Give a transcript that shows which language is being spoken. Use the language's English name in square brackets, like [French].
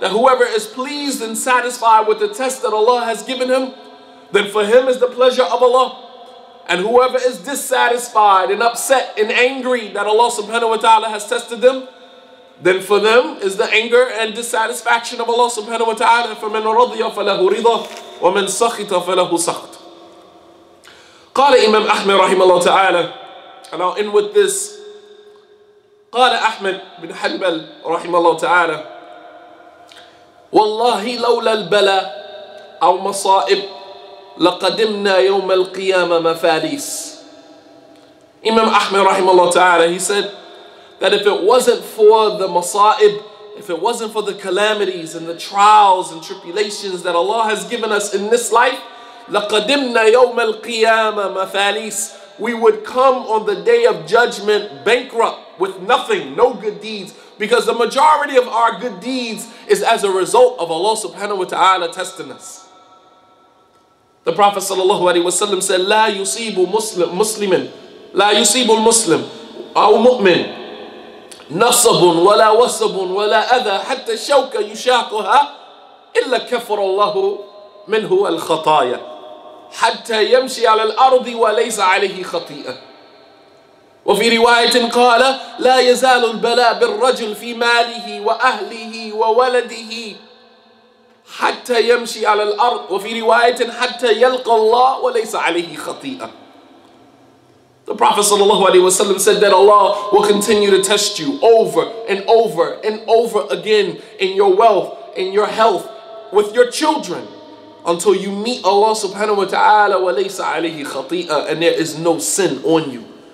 [English] That whoever is pleased and satisfied with the test that Allah has given him, then for him is the pleasure of Allah. And whoever is dissatisfied and upset and angry that Allah subhanahu wa ta'ala has tested them, then for them is the anger and dissatisfaction of Allah subhanahu wa ta'ala. [Arabic] فَمَنْ رَضِيَ فَلَهُ رِضَى وَمَنْ سَخِطَ فَلَهُ سَخْطُ. قال إمام أحمد رحمه الله تعالى. [English] And I'll end with this. [Arabic] قال أحمد بن حنبل رحمه الله تعالى. والله لولا البلاء أو مصائب لقدمنا يوم القيامة مفاليس. إمام أحمد رحمه الله تعالى, [English] he said that if it wasn't for the مصائب, if it wasn't for the calamities and the trials and tribulations that Allah has given us in this life, [Arabic] لَقَدِمْنَا يَوْمَ الْقِيَامَةِ مَفَالِيسِ, [English] we would come on the day of judgment bankrupt. with nothing, no good deeds. Because the majority of our good deeds is as a result of Allah subhanahu wa ta'ala testing us. [Arabic] The Prophet sallallahu alaihi wasallam said, لا يصيب مسلمٍ لا يصيب المسلم أو مؤمن نصب ولا وصب ولا أذى حتى الشوكة يشاقها إلا كفر الله منه الخطايا حتى يمشي على الأرض وليس عليه خطيئة. وفي رواية قال لا يزال البلاء بالرجل في ماله وأهله وولده حتى يمشي على الأرض وفي رواية حتى يلقى الله وليس عليه خطيئة. [English] The Prophet sallallahu alaihi wasallam said that Allah will continue to test you over and over and over again in your wealth, in your health, with your children, until you meet Allah subhanahu wa ta'ala [Arabic] wa laysa alayhi khati'a, [English] and there is no sin on you.